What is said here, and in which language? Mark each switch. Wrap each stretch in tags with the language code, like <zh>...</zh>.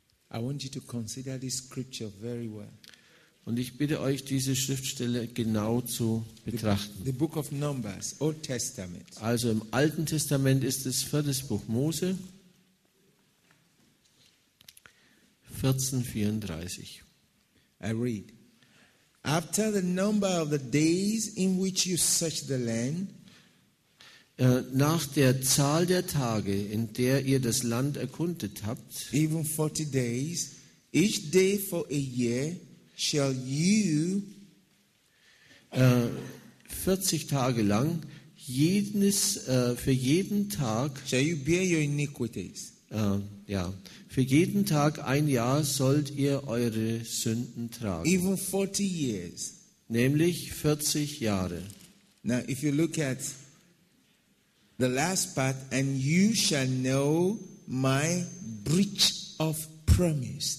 <en>I want you to consider this scripture very well.</en> <de>Und ich bitte euch, diese Schriftstelle genau zu betrachten.</de> <en>The Book of Numbers, Old Testament.</en> <de>Also im Alten Testament ist es 4. Buch Mose, 14:34.</de> <en>I read. After the number of the days in which you search the land,</en> <de>nach der Zahl der Tage, in der ihr das Land erkundet habt,</de> <en>even 40 days, each day for a year, shall you</en> <de>40 Tage lang, für jeden Tag,</de> <en>shall you bear your iniquities?</en> <de>Für jeden Tag ein Jahr sollt ihr eure Sünden tragen.</de> <en>Even 40 years.</en> <de>Nämlich 40 Jahre.</de> <en>Now, if you look at the last part, and you shall know my breach of promise.</en>